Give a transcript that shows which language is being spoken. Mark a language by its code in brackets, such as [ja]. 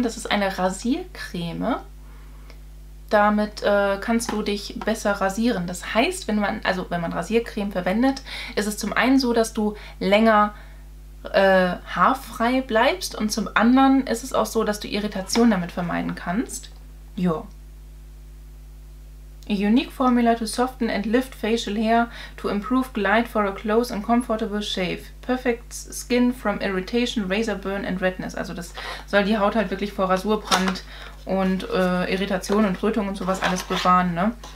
[de] Das ist eine Rasiercreme. Damit kannst du dich besser rasieren. Das heißt, wenn man Rasiercreme verwendet, ist es zum einen so, dass du länger haarfrei bleibst und zum anderen ist es auch so, dass du Irritationen damit vermeiden kannst. Ja. [en] A unique formula to soften and lift facial hair to improve glide for a close and comfortable shave. Perfect skin from irritation, razor burn and redness. [de] Also das soll die Haut halt wirklich vor Rasurbrand und Irritation und Rötung und sowas alles bewahren, ne?